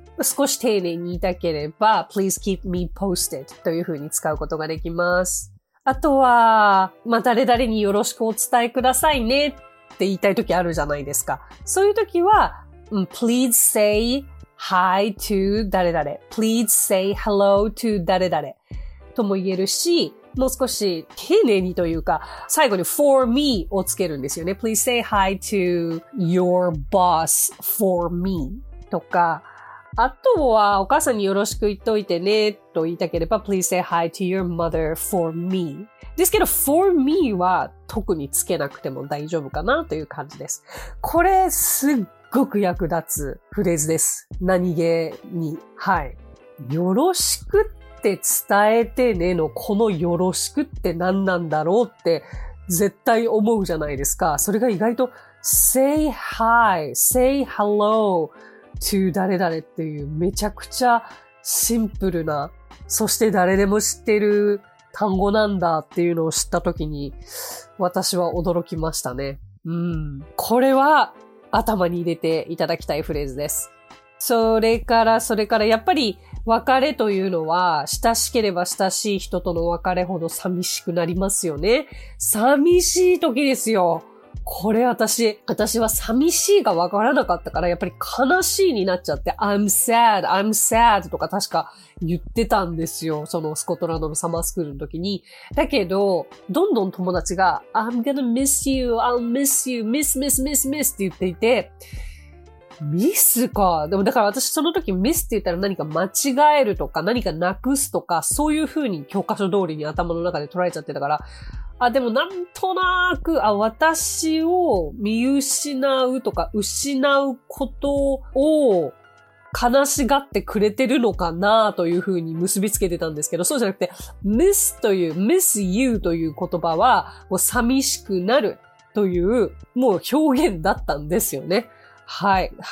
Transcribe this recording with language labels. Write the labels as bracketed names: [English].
[Japanese] 少し丁寧に言いたければ、 [English] please keep me posted [Japanese] という風に使うことができます。あとは、まあ、誰々によろしくお伝えくださいねって言いたい時あるじゃないですか。 [English] そういう時は、please say hi to 誰々。 please say hello to 誰々。 [Japanese] とも言えるし、もう少し丁寧にというか、最後に for me をつけるんですよね。 [English] Please say hi to your boss for me [Japanese] とか、あとはお母さんによろしく言っといてねと言いたければ、 [English] Please say hi to your mother for me。 [Japanese] ですけど、for me は特につけなくても大丈夫かなという感じです。これすっごく役立つフレーズです。何気に。はい。よろしくって伝えてねのこのよろしくって何なんだろうって絶対思うじゃないですか。それが意外と [English] say hi, say hello to [Japanese] 誰々っていうめちゃくちゃシンプルな、そして誰でも知ってる単語なんだっていうのを知った時に私は驚きましたね。これは頭に入れていただきたいフレーズです。それからやっぱり別れというのは、親しければ親しい人との別れほど寂しくなりますよね。寂しい時ですよ。これ私は寂しいがわからなかったから、やっぱり悲しいになっちゃって、 [English] I'm sad, I'm sad [Japanese] とか確か言ってたんですよ。そのスコットランドのサマースクールの時に。だけど、どんどん友達が、 [English] I'm gonna miss you, I'll miss you, miss, miss, [Japanese] miss, miss って言っていて、ミスか。でもだから私その時ミスって言ったら何か間違えるとか何かなくすとかそういう風に教科書通りに頭の中で捉えちゃってたから、あ、でもなんとなく、あ、私を見失うとか失うことを悲しがってくれてるのかなという風に結びつけてたんですけど、そうじゃなくてミスという、ミス you という言葉はもう寂しくなるというもう表現だったんですよね。はい。